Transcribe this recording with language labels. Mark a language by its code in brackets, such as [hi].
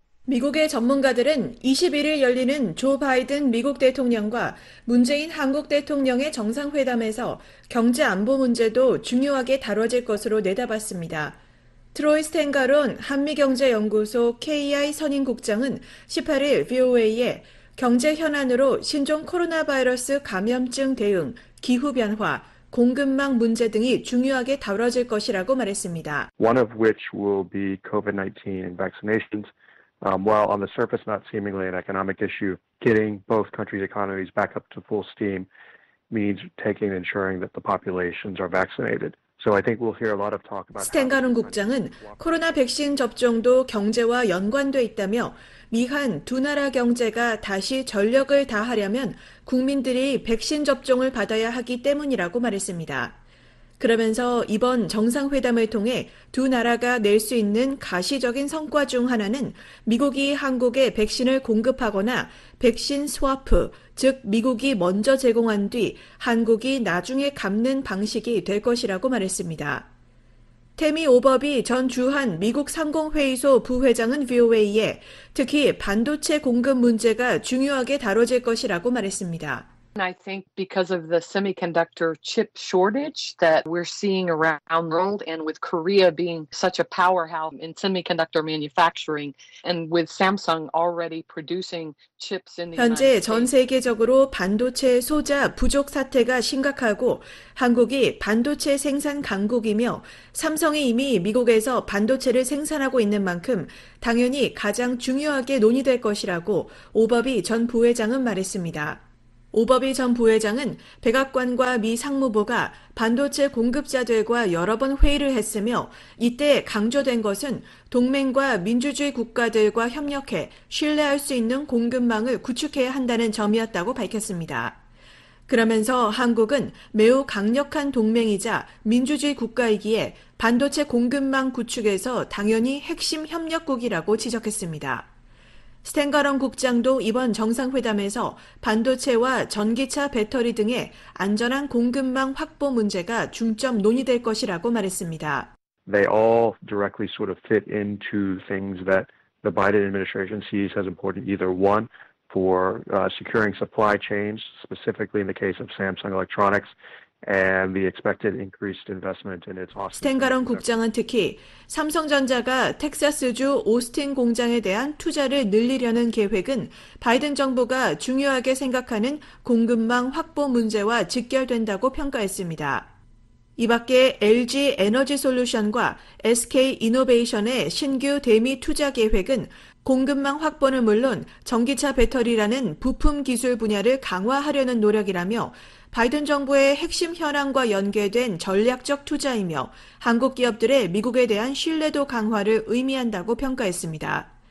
[ko] 미국의 전문가들은 21일 열리는 조 바이든 미국 대통령과 문재인 한국 대통령의 정상회담에서 경제 안보 문제도 중요하게 다뤄질 것으로 내다봤습니다. 트로이 스탠가론 한미경제연구소 KI 선임국장은 18일 VOA에 경제 현안으로 신종 코로나 바이러스 감염증 대응, 기후변화, 공급망 문제 등이 중요하게 다뤄질 것이라고 말했습니다. [en] One of which will be COVID-19 and vaccinations, While on the surface not seemingly an economic issue, getting both countries' economies back up to full steam means taking and ensuring that the populations are vaccinated. So I think we'll hear a lot of talk about [ko] 스탠가룬 국장은 코로나 백신 접종도 경제와 연관돼 있다며 미한 두 나라 경제가 다시 전력을 다하려면 국민들이 백신 접종을 받아야 하기 때문이라고 말했습니다. 그러면서 이번 정상회담을 통해 두 나라가 낼 수 있는 가시적인 성과 중 하나는 미국이 한국에 백신을 공급하거나 백신 스와프, 즉 미국이 먼저 제공한 뒤 한국이 나중에 갚는 방식이 될 것이라고 말했습니다. 태미 오버비 전 주한 미국 상공회의소 부회장은 VOA에 특히 반도체 공급 문제가 중요하게 다뤄질 것이라고 말했습니다. [en] I think because of the semiconductor chip shortage that we're seeing around the world and with Korea being such a powerhouse in semiconductor manufacturing and with Samsung already producing chips in the United [ko] 현재 전 세계적으로 반도체 소자 부족 사태가 심각하고 한국이 반도체 생산 강국이며 삼성이 이미 미국에서 반도체를 생산하고 있는 만큼 당연히 가장 중요하게 논의될 것이라고 오버비 전 부회장은 말했습니다. 오버비 전 부회장은 백악관과 미 상무부가 반도체 공급자들과 여러 번 회의를 했으며 이때 강조된 것은 동맹과 민주주의 국가들과 협력해 신뢰할 수 있는 공급망을 구축해야 한다는 점이었다고 밝혔습니다. 그러면서 한국은 매우 강력한 동맹이자 민주주의 국가이기에 반도체 공급망 구축에서 당연히 핵심 협력국이라고 지적했습니다. 스탠가런 국장도 이번 정상회담에서 반도체와 전기차 배터리 등의 안전한 공급망 확보 문제가 중점 논의될 것이라고 말했습니다. [en] They all directly sort of fit into things that the Biden administration sees as important, either one, for securing supply chains, specifically in the case of Samsung Electronics, and the expected increased investment in its Austin. [ko] 스탠가런 국장은 특히 삼성전자가 텍사스주 오스틴 공장에 대한 투자를 늘리려는 계획은 바이든 정부가 중요하게 생각하는 공급망 확보 문제와 직결된다고 평가했습니다. 이 밖에 LG 에너지 솔루션과 SK 이노베이션의 신규 대미 투자 계획은 공급망 확보는 물론 전기차 배터리라는 부품 기술 분야를 강화하려는 노력이라며 바이든 정부의 핵심 현안과 연계된 전략적 투자이며 한국 기업들의 미국에 대한 신뢰도 강화를 의미한다고 평가했습니다.